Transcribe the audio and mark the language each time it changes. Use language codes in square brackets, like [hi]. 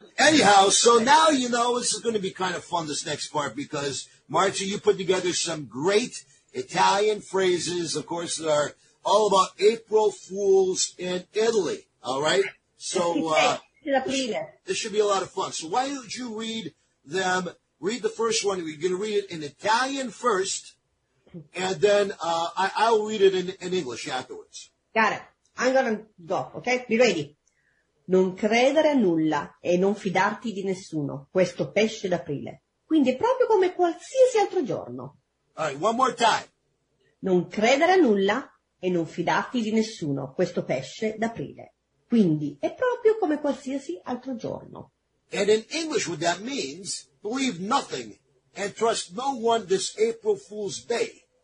[en] Anyhow, so now you know this is going to be kind of fun, this next part, because, Marcy, you put together some great Italian phrases, of course, that are all about April Fools in Italy. All right? So this should be a lot of fun. So why don't you read the first one. We're going to read it in Italian first, and then I'll read it in English afterwards. Got it. I'm going to go, okay? Be ready. [it] Non credere a nulla e non fidarti di nessuno, questo pesce d'aprile. Quindi è proprio come qualsiasi altro giorno. [en] All right, one more time. [it] Non credere a nulla e non fidarti di nessuno, questo pesce d'aprile. Quindi è proprio come qualsiasi altro giorno. [en] And in English what that means, believe nothing and trust no one this April Fool's Day.